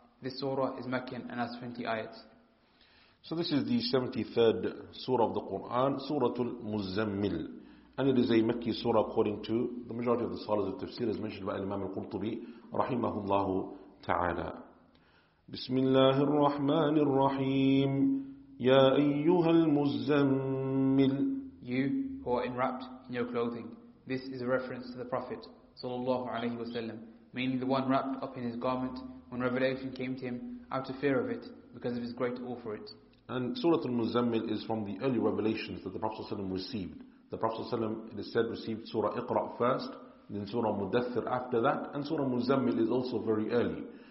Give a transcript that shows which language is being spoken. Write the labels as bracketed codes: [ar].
[en] This surah is Meccan and has 20 ayats. So this is the 73rd surah of the Quran, Surah Al-Muzammil. And it is a Mecki surah according to the majority of the scholars of tafsir, as mentioned by Imam Al-Qurtubi, [ar] rahimahullahu ta'ala. بسم الله الرحمن الرحيم يا أيها المزمل. [en] You who are enwrapped in your clothing. This is a reference to the Prophet [ar] صلى الله عليه وسلم, [en] meaning the one wrapped up in his garment when revelation came to him out of fear of it because of his great awe for it. And Surah Al-Muzammil is from the early revelations that the Prophet [ar] صلى الله عليه وسلم [en] received. The Prophet [ar] صلى الله عليه وسلم, [en] it is said, received Surah Iqra first, then Surah Mudathir after that, and Surah Muzammil is also very early.